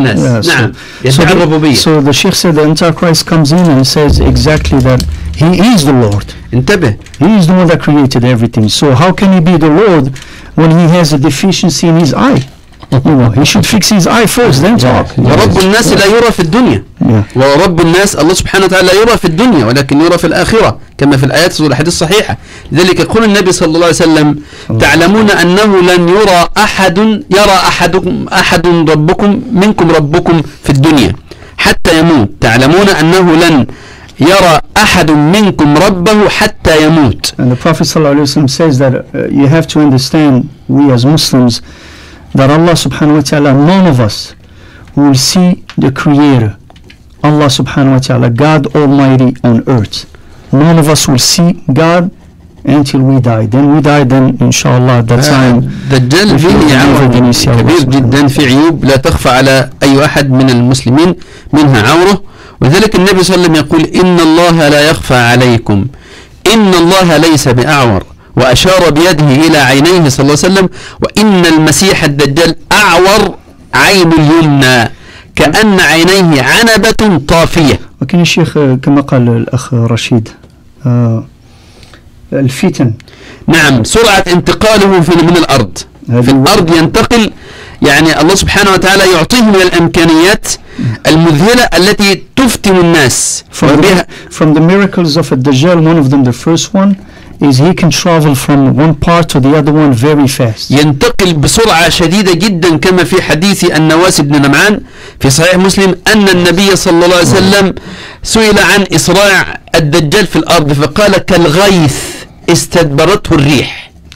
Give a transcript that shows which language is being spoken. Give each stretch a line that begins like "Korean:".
English: So the Sheikh said the Antichrist comes in and says exactly that he is the Lord.
Arabic: انتبه.
English: He is the one that created everything. So how can he be the Lord when he has a deficiency in his eye? You know, he should fix his eye first, then talk.
Arabic: ورب الناس لا يرى في الدنيا.
English: Yeah.
Arabic: ورب الناس الله سبحانه وتعالى لا يرى في الدنيا ولكن يرى في الآخرة كما في الآيات والحديث الصحيحة. لذلك يقول النبي صلى الله عليه وسلم تعلمون أنه لن يرى أحد يرى أحد ربكم منكم ربكم في الدنيا حتى يموت. تعلمون أنه لن يرى أحد منكم ربه حتى يموت.
English: And the Prophet
Arabic: صلى الله عليه وسلم
English: says that you have to understand we as Muslims that Allah subhanahu wa ta'ala, none of us will see the Creator, Allah subhanahu wa ta'ala, God Almighty on earth. None of us will see God until we die. Then we die, then inshallah, that time.
Arabic: دجال فيه عورة كبير جدا في عيوب لا تخفى على أي أحد من المسلمين منها عورة. وذلك النبي صلى الله عليه وسلم يقول إن الله لا يخفى عليكم إن الله ليس بأعور وأشار بيده إلى عينيه صلى الله عليه وسلم وإن المسيح الدجال أعور عين اليمنى كأن عينيه عنبة طافية. وكان الشيخ كما قال الأخ رشيد الفتن نعم سرعة انتقاله من الأرض في الأرض ينتقل يعني الله سبحانه وتعالى يعطيه من الأمكانيات المذهلة التي تفتن الناس.
English: From the miracles of the Dajjal, one of them, the first one is he can travel from one part to the other one very fast.
Arabic: ينتقل بسرعة شديدة جدا كما في حديث النواس بن نمعان في صحيح مسلم أن النبي صلى الله عليه وسلم سئل عن إسراع الدجال في الأرض فقال كالغيث استدبرته الريح.